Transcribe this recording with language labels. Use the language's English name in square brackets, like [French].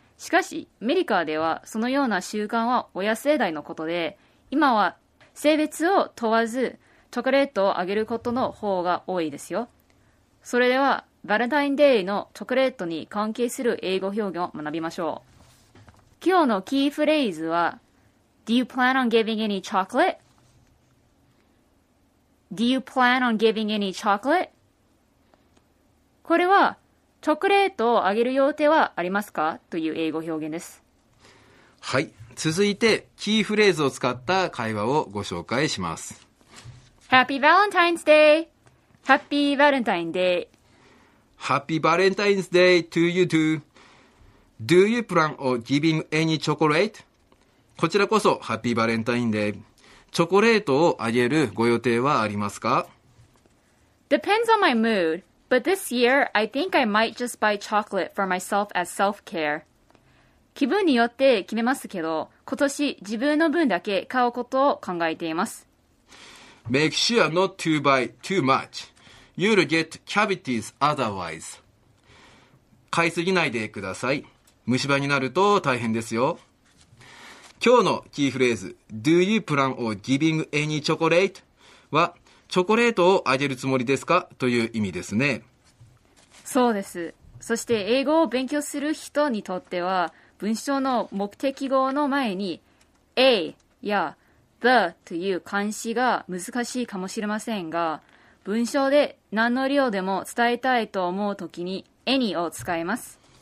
[Japanese] しかしアメリカではそのような習慣は親世代のことで、今は性別を問わずチョコレートをあげることの方が多いですよ。それではバレンタインデーのチョコレートに関係する英語表現を学びましょう。今日のキーフレーズは [English] Do you plan on giving any chocolate? Do you plan on giving any chocolate? [Japanese] これはチョコレートをあげる予定はありますかという英語表現です。はい、続いてキーフレーズを使った会話をご紹介します。 [English] Happy Valentine's Day! Happy Valentine's Day! Happy Valentine's Day to you too! Do you plan on giving any chocolate? [Japanese] こちらこそ [English] Happy Valentine's Day! [Japanese] チョコレートをあげるご予定はありますか？ [English] Depends on my mood. But this year, I think I might just buy chocolate for myself as self-care. [Japanese] 気分によって決めますけど、今年自分の分だけ買うことを考えています。 [English] Make sure not to buy too much. You'll get cavities otherwise. [Japanese] 買いすぎないでください。虫歯になると大変ですよ。今日のキーフレーズ、 [English] Do you plan on giving any chocolate? [Japanese] は、チョコレートをあげるつもりですかという意味ですね。そうです。そして英語を勉強する人にとっては、文章の目的語の前に A や The という冠詞が難しいかもしれませんが、文章で何の量でも伝えたいと思うときに Any を使います。